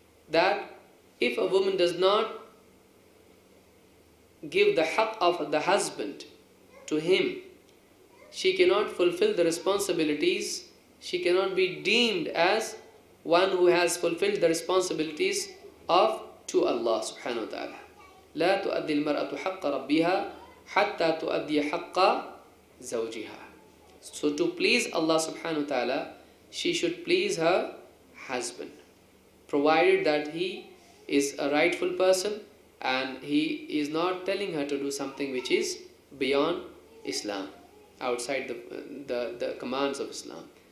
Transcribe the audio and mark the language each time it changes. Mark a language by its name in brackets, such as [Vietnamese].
[English] That if a woman does not give the haqq of the husband to him, she cannot fulfill the responsibilities, she cannot be deemed as one who has fulfilled the responsibilities of to Allah subhanahu wa ta'ala. [Arabic] لا تؤدي المرأة حق ربها حتى تؤدي حق زوجها. [English] So to please Allah subhanahu wa ta'ala, she should please her husband, provided that he is a rightful person and he is not telling her to do something which is beyond Islam, outside the commands of Islam.